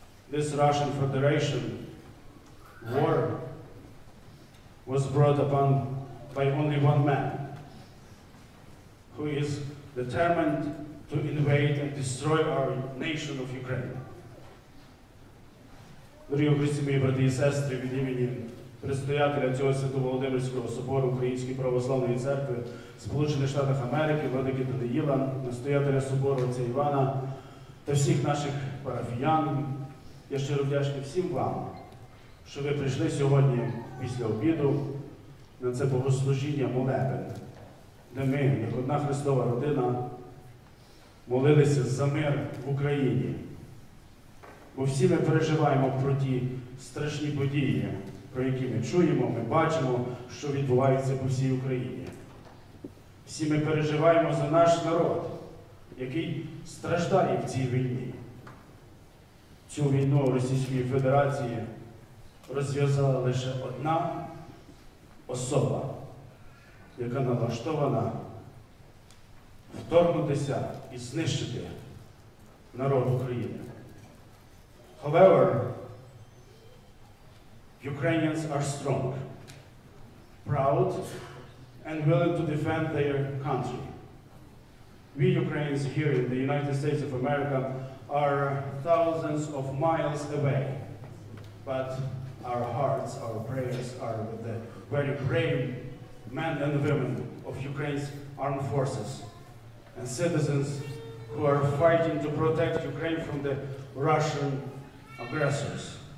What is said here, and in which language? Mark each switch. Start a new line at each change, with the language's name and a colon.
English: This Russian Federation war was brought upon by only one man, who is determined to invade and destroy our nation of Ukraine.
Ukrainian: Дорогі Христі, мої брати і сестри, від імені Предстоятеля цього Свято-Володимирського собору Української Православної Церкви Сполучених Штатів Америки, владики Даниїла, настоятеля собору отця Івана та всіх наших парафіян, я щиро вдячний всім вам, що ви прийшли сьогодні після обіду на це богослужіння молебен, де ми, як одна Христова родина, молилися за мир в Україні. Бо всі ми переживаємо про ті страшні події, про які ми чуємо, ми бачимо, що відбувається по всій Україні. Всі ми переживаємо за наш народ, який страждає в цій війні. Цю війну Російської Федерації розв'язала лише одна особа, яка налаштована вторгнутися і знищити народ України.
English: However, Ukrainians are strong, proud, and willing to defend their country. We Ukrainians here in the United States of America are thousands of miles away, but our hearts, our prayers are with the very brave men and women of Ukraine's armed forces and citizens who are fighting to protect Ukraine from the Russian aggressors.